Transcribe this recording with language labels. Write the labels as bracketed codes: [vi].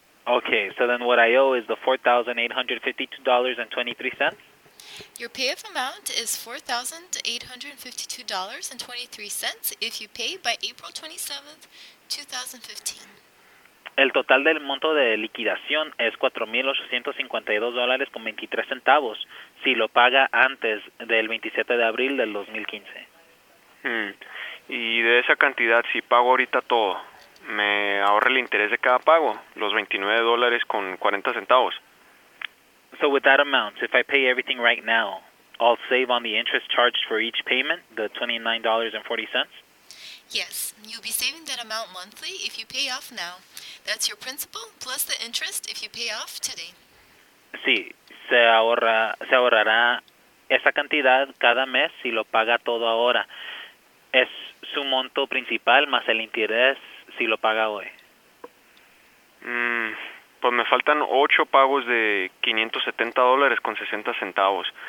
[en] Okay, so then what I owe is the $4,852.23? Your payoff amount is $4,852.23 if you pay by April 27th, 2015. [es] El total del monto de liquidación es $4,852.23 si lo paga antes del 27 de abril del 2015. Y de esa cantidad, si pago ahorita todo, me ahorra el interés de cada pago, los $29.40. [en] So with that amount, if I pay everything right now, I'll save on the interest charged for each payment, the $29.40? Yes, you'll be saving that amount monthly if you pay off now. That's your principal plus the interest if you pay off today. [es] Sí, se ahorrará esa cantidad cada mes si lo paga todo ahora. Es su monto principal más el interés si lo paga hoy. Pues me faltan 8 pagos de $570.60.